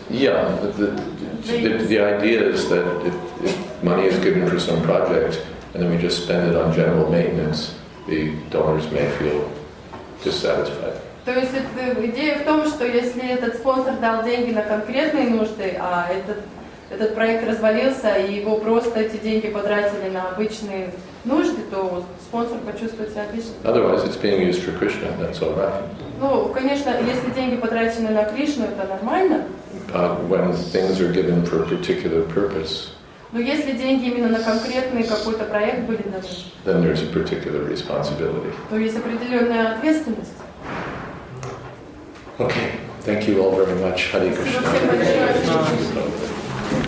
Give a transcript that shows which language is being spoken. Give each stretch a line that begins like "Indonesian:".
English: Yeah, but the idea is that if money is given for some project, and then we just spend it on general maintenance, the donors may feel dissatisfied.
Russian: То есть идея в том, что если этот спонсор дал деньги на конкретные нужды, а этот проект развалился, и его просто эти деньги потратили на обычные нужды, то спонсор почувствует себя отлично.
English: Otherwise, it's being used for Krishna, that's all right.
Russian: Ну, конечно, если деньги потрачены на Кришну, это нормально.
English: But when things are given for a particular purpose.
Russian: Но если деньги именно на конкретный какой-то проект были даны.
English: Then there's a particular responsibility.
Russian: То есть определенная ответственность.
English: Okay, thank you all very much. Hare Krishna.